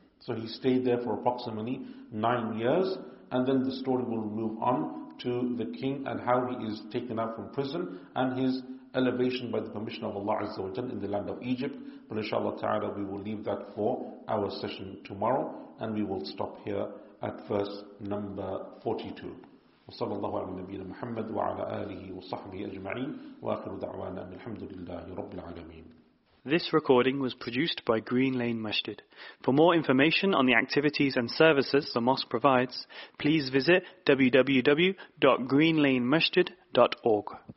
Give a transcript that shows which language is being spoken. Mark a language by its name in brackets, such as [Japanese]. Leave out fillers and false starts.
[English] So he stayed there for approximately 9 years, and then the story will move on to the king and how he is taken out from prison and his elevation by the permission of Allah Azza wa Jalla in the land of Egypt. But inshallah ta'ala, we will leave that for our session tomorrow, and we will stop here at verse number 42. [Arabic] وصلى الله على نبينا محمد وعلى آله وصحبه أجمعين وآخر دعوانا الحمد لله رب العالمين. [English] This recording was produced by Green Lane Masjid. For more information on the activities and services the mosque provides, please visit www.greenlanemasjid.org.